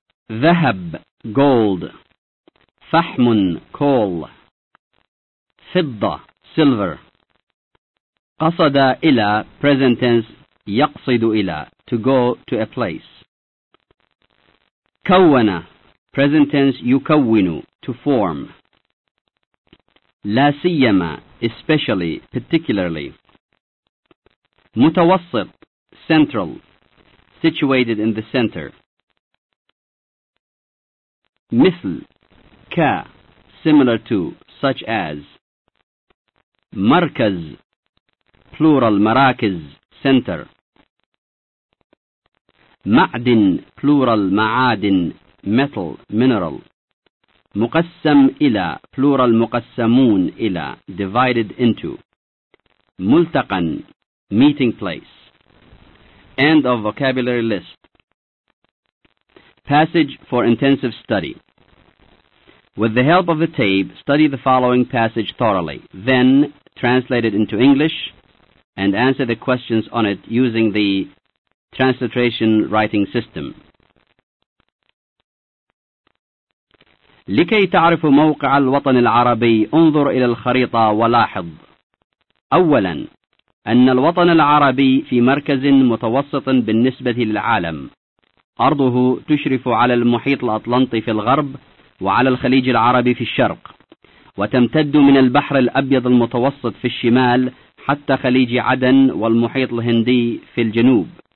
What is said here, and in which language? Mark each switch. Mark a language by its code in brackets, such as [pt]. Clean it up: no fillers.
[ar] ذهب, gold. فحم, coal. فضة, silver. [en] قصد إلى, present tense, يقصد إلى, to go to a place. كون, present tense, يكون, to form. [ar] لا سيما, especially, particularly. [en] متوسط, central, situated in the center. مثل, ك, similar to, such as. [ar] مركز, plural, مراكز, center. معدن, plural, معادن, metal, mineral. مقسم إلى, plural, مقسمون إلى, divided into. [en] ملتقى, meeting place. End of vocabulary list. Passage for intensive study. With the help of the tape, study the following passage thoroughly. Then, translate it into English and answer the questions on it using the transliteration writing system. [ar] لكي تعرف موقع الوطن العربي, انظر إلى الخريطة ولاحظ. أولاً, أن الوطن العربي في مركز متوسط بالنسبة للعالم. أرضه تشرف على المحيط الأطلنطي في الغرب وعلى الخليج العربي في الشرق, وتمتد من البحر الأبيض المتوسط في الشمال حتى خليج عدن والمحيط الهندي في الجنوب.